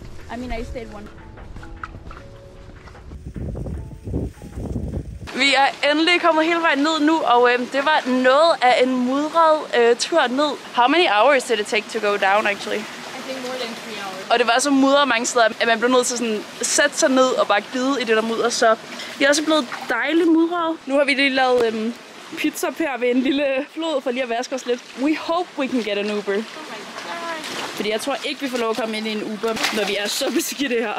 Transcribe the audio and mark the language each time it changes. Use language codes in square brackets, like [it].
[en] I mean, I stayed one. [da] Vi er endelig kommet hele vejen ned nu, og det var noget af en mudret tur ned. [en] How many hours did it take to go down, actually? I think more than 3 hours. [da] Og det var så mudret mange steder, at man blev nødt til sådan sætte sig ned og bare glide i det der mudder. Så vi er også blevet dejligt mudret. Nu har vi lige lavet pizza her ved en lille flod for lige at vaske os lidt. [en] We hope we can get an Uber. [da] Fordi jeg tror ikke, vi får lov at komme ind i en Uber, når vi er så beskidte her.